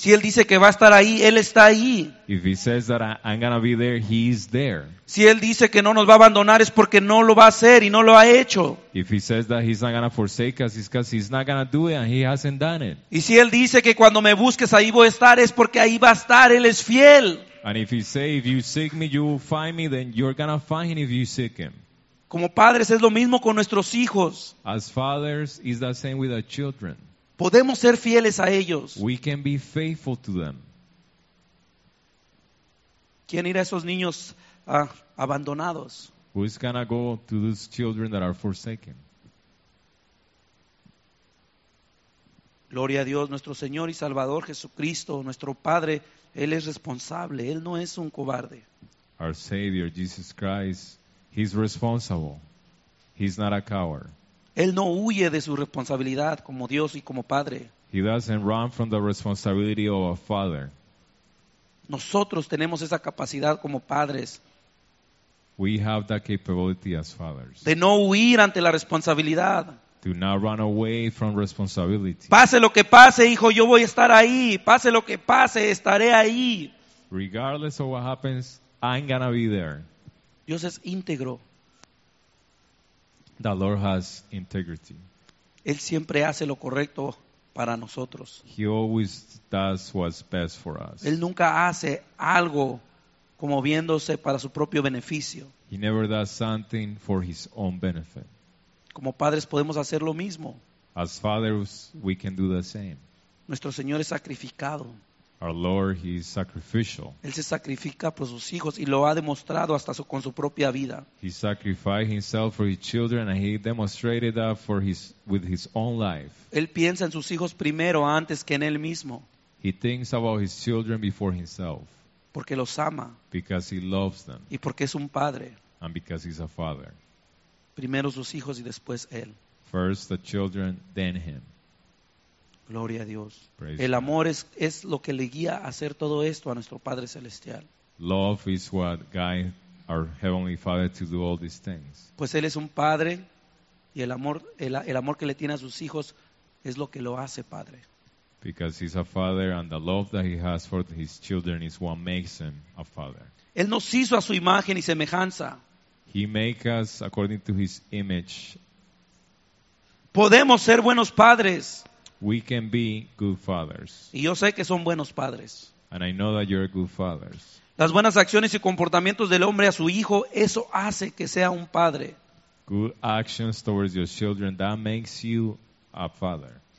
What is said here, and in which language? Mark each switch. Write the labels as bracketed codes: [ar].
[es] Si Él dice que va a estar ahí, Él está ahí. [en] If He says that I'm gonna be there, He is there. [es] Si Él dice que no nos va a abandonar, es porque no lo va a hacer y no lo ha hecho. [en] If He says that He's not gonna forsake us, it's because He's not gonna do it and He hasn't done it. [es] Y si Él dice que cuando me busques ahí voy a estar, es porque ahí va a estar, Él es fiel. [en] And if He says, if you seek me, you will find me, then you're gonna find Him if you seek Him. [es] Como padres es lo mismo con nuestros hijos. [en] As fathers, it's the same with our children. [es] Podemos ser fieles a ellos. [en] We can be faithful to them. [es] ¿Quién irá a esos niños abandonados? [en] Who is gonna go to those children that are forsaken? [es] Gloria a Dios, nuestro Señor y Salvador Jesucristo, nuestro Padre, Él es responsable, Él no es un cobarde. [en] Our Savior, Jesus Christ, He's responsible. He's not a coward. [es] Él no huye de su responsabilidad como Dios y como Padre. [en] He doesn't run from the responsibility of a father. [es] Nosotros tenemos esa capacidad como padres. [en] We have that capability as fathers. [es] De no huir ante la responsabilidad. [en] To not run away from responsibility. [es] Pase lo que pase, hijo, yo voy a estar ahí. Pase lo que pase, estaré ahí. [en] Regardless of what happens, I'm gonna be there. [es] Dios es íntegro. [en] The Lord has integrity. [es] Él siempre hace lo correcto para nosotros. [en] He always does what's best for us. [es] Él nunca hace algo como viéndose para su propio beneficio. [en] He never does something for his own benefit. [es] Como padres podemos hacer lo mismo. [en] As fathers, we can do the same. [es] Nuestro Señor es sacrificado. [en] Our Lord, He is sacrificial. [es] Él se sacrifica por sus hijos y lo ha demostrado hasta con su propia vida. [en] He sacrificed himself for his children and he demonstrated that with his own life. [es] Él piensa en sus hijos primero antes que en él mismo. [en] He thinks about his children before himself. [es] Porque los ama. [en] Because he loves them. [es] Y porque es un padre. [en] And because he's a father. [es] Primero sus hijos y después él. [en] First the children, then him. [es] Gloria a Dios. El amor es lo que le guía a hacer todo esto a nuestro Padre Celestial. [en] Love is what guides our Heavenly Father to do all these things. [es] Pues Él es un Padre y el amor que le tiene a sus hijos es lo que lo hace Padre. [en] Because He's a Father and the love that He has for His children is what makes Him a Father. [es] Él nos hizo a su imagen y semejanza. [en] He makes us according to His image. [es] Podemos ser buenos padres. [en] We can be good fathers. [es] Y yo sé que son buenos padres. [en] And I know that you're good fathers. [es] Las buenas acciones y comportamientos del hombre a su hijo, eso hace que sea un padre. [en] Good actions towards your children, that makes you a father.